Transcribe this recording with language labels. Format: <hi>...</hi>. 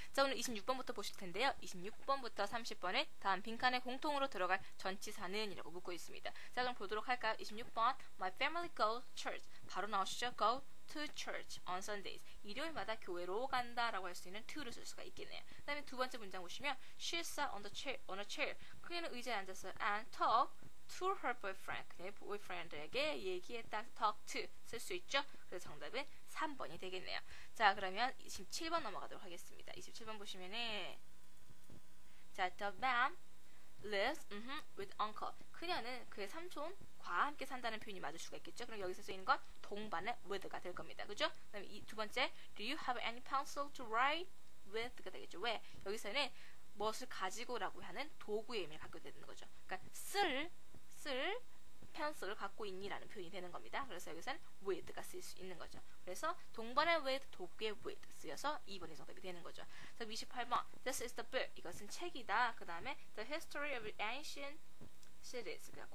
<ko>자, 오늘 26번부터 보실 텐데요. 26번부터 30번에 다음 빈칸에 공통으로 들어갈 전치사는이라고 묻고 있습니다. 자, 그럼 보도록 할까요? 26번</ko> <en>My family go church.</en> <ko>바로 나오시죠?</ko> <en>Go to church on Sundays.</en> <ko>일요일마다 교회로 간다 라고 할 수 있는 to를 쓸 수가 있겠네요. 그 다음에 두 번째 문장 보시면</ko> <en>She sat on the chair. On a chair.</en> <ko>그녀는 의자에 앉았어요.</ko> <en>And talk to her boyfriend,</en> <ko>그의 boyfriend에게 얘기했다. talk to 쓸 수 있죠? 그래서 정답은 3번이 되겠네요. 자, 그러면 27번 넘어가도록 하겠습니다. 27번 보시면은 자,</ko> <en>the man lives with uncle.</en> <ko>그녀는 그의 삼촌 과 함께 산다는 표현이 맞을 수가 있겠죠? 그럼 여기서 쓰이는 건 동반의 with가 될 겁니다. 그죠? 그 다음에 이 두 번째</ko> <en>do you have any pencil to write with가 되겠죠?</en> <ko>왜? 여기서는 무엇을 가지고 라고 하는 도구의 의미를 갖게 되는 거죠. 그러니까 쓸 펜슬을 갖고 있니? 라는 표현이 되는 겁니다. 그래서 여기서는 with가 쓰일 수 있는 거죠. 그래서 동반의 with, 도구의 with 쓰여서 2번이 정답이 되는 거죠. 자, 28번</ko> <en>This is the book.</en> <ko>이것은 책이다.</ko> <en>그 다음에 The history of ancient cities.</en>